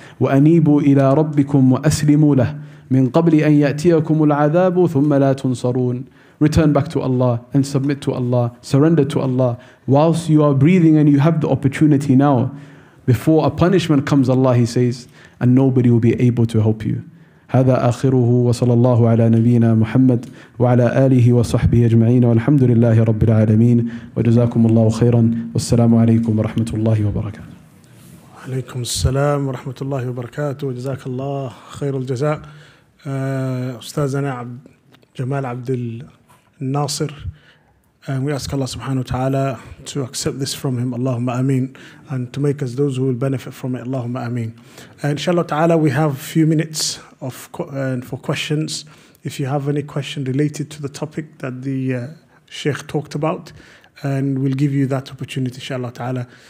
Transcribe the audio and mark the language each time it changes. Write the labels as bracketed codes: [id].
[ar] وَأَنِيبُوا إِلَىٰ رَبِّكُمْ وَأَسْلِمُوا لَهُ مِنْ قَبْلِ أَنْ يَأْتِيَكُمُ الْعَذَابُ ثُمَّ لَا تُنْصَرُونَ. [en] Return back to Allah and submit to Allah, surrender to Allah. Whilst you are breathing and you have the opportunity now, before a punishment comes, Allah, He says, and nobody will be able to help you. [ar] هذا آخره وصلى الله على نبينا محمد وعلى آله وصحبه أجمعين والحمد لله رب العالمين وجزاكم الله خيرا والسلام عليكم ورحمة الله وبركاته. عليكم السلام ورحمة الله وبركاته وجزاك الله خير الجزاء. أستاذنا جمال عبد الناصر. [en] And we ask Allah subhanahu wa ta'ala to accept this from him, Allahumma ameen, and to make us those who will benefit from it, Allahumma ameen. Inshallah ta'ala, we have a few minutes of for questions. If you have any question related to the topic that the Sheikh talked about, and we'll give you that opportunity, inshallah ta'ala.